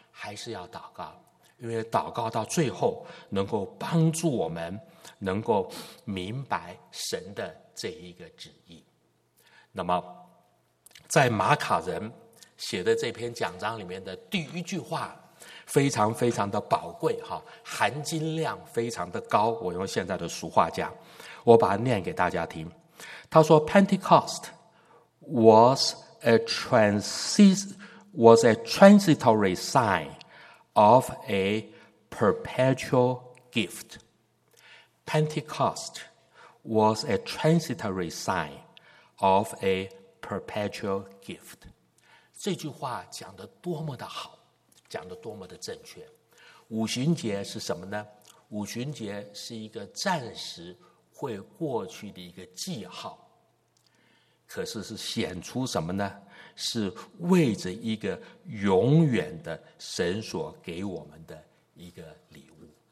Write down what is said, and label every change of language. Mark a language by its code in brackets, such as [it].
[zh] 还是要祷告，因为祷告到最后能够帮助我们能够明白神的这一个旨意。那么在马卡人写的这篇讲章里面的第一句话非常非常的宝贵，含金量非常的高，我用现在的俗话讲，我把它念给大家听。他说 [en] Pentecost was a transitory sign of a perpetual gift. Pentecost was a transitory sign of a perpetual gift. [zh] 这句话讲得多么的好，讲得多么的正确。五旬节是什么呢？五旬节是一个暂时会过去的一个记号，可是是显出什么呢？是为着一个永远的神所给我们的一个礼物。